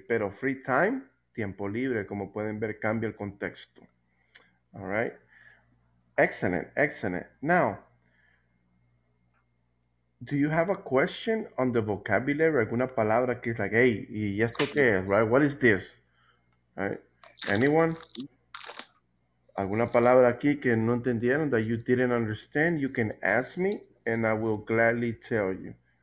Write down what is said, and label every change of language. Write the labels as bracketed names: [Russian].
[Spanish] Pero [English] free time, [Spanish] tiempo libre, como pueden ver, cambia el contexto. [English] All right? Excellent, excellent. Now, do you have a question on the vocabulary? [Spanish] Alguna palabra que es like, hey, ¿y esto qué es? [English] Right? What is this? Right? Anyone? [Spanish] Alguna palabra aquí que no entendieron, [English] that you didn't understand, you can ask me and I will gladly tell you.